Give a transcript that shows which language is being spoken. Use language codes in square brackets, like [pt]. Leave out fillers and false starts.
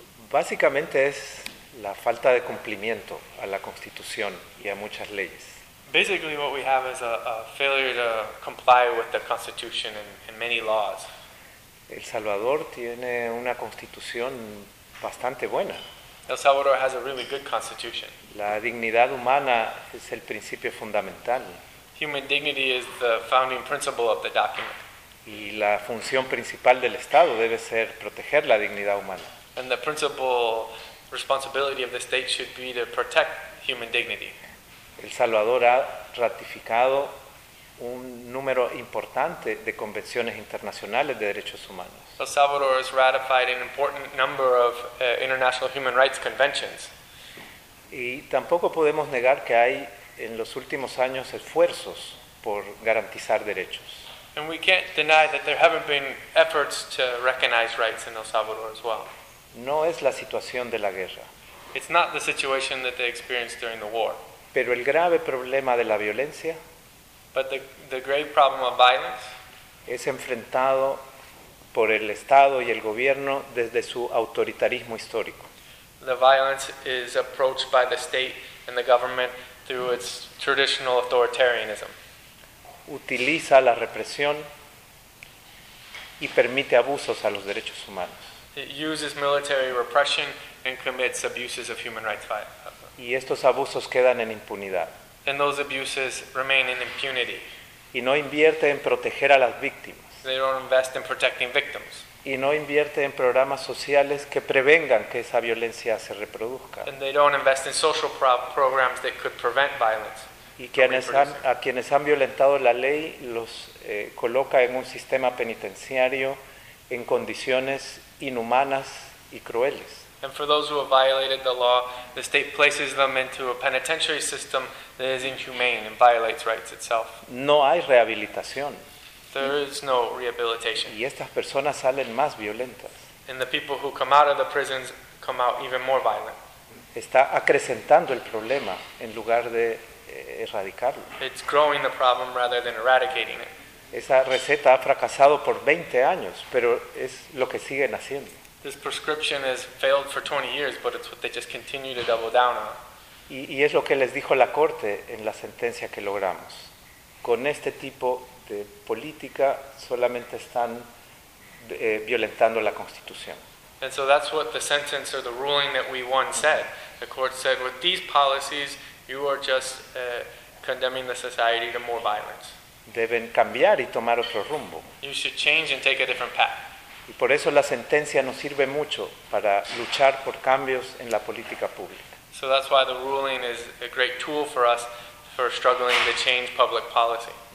[es] Básicamente es la falta de cumplimiento a la Constitución y a muchas leyes. [en] Basically, what we have is a failure to comply with the Constitution and many laws. [es] El Salvador tiene una Constitución bastante buena. [en] El Salvador has a really good Constitution. [es] La dignidad humana es el principio fundamental. [en] Human dignity is the founding principle of the document. [es] Y la función principal del Estado debe ser proteger la dignidad humana. [en] And the principal responsibility of the state should be to protect human dignity. [es] El Salvador ha ratificado un número importante de convenciones internacionales de derechos humanos. [en] El Salvador has ratified an important number of international human rights conventions. [es] Y tampoco podemos negar que hay en los últimos años esfuerzos por garantizar derechos. [en] And we can't deny that there haven't been efforts to recognize rights in El Salvador as well. [es] No es la situación de la guerra. [en] It's not the situation that they experienced during the war. [es] Pero el grave problema de la violencia, [en] but the grave problem of violence, [es] es enfrentado por el Estado y el gobierno desde su autoritarismo histórico. [en] The violence is approached by the state and the government through its traditional authoritarianism. [es] Utiliza la represión y permite abusos a los derechos humanos. [en] It uses military repression and commits abuses of human rights. [es] Y estos abusos quedan en impunidad. [en] And those abuses remain in impunity. [es] Y no invierte en proteger a las víctimas. [en] They don't invest in protecting victims. [es] Y no invierte en programas sociales que prevengan que esa violencia se reproduzca. [en] And they don't invest in social programs that could prevent violence. [es] Y quienes han, a quienes han violentado la ley los coloca en un sistema penitenciario en condiciones inhumanas y crueles. [en] And for those who have violated the law, the state places them into a penitentiary system that is inhumane and violates rights itself. [es] No hay rehabilitación. [en] There is no rehabilitation. [es] Y estas personas salen más violentas. [en] And the people who come out of the prisons come out even more violent. [es] Está acrecentando el problema en lugar de erradicarlo. [en] It's growing the problem rather than eradicating it. [es] Esa receta ha fracasado por 20 años, pero es lo que siguen haciendo. [en] This prescription has failed for 20 years, but it's what they just continue to double down on. [es] Y es lo que les dijo la corte en la sentencia que logramos. Con este tipo de política solamente están violentando la Constitución. [en] And so that's what the sentence or the ruling that we won said. The court said, with these policies, you are just condemning the society to more violence. [es] Deben cambiar y tomar otro rumbo. [en] You should change and take a different path. [es] Y por eso la sentencia nos sirve mucho para luchar por cambios en la política pública. [en] So that's why the ruling is a great tool for us for struggling to change public policy.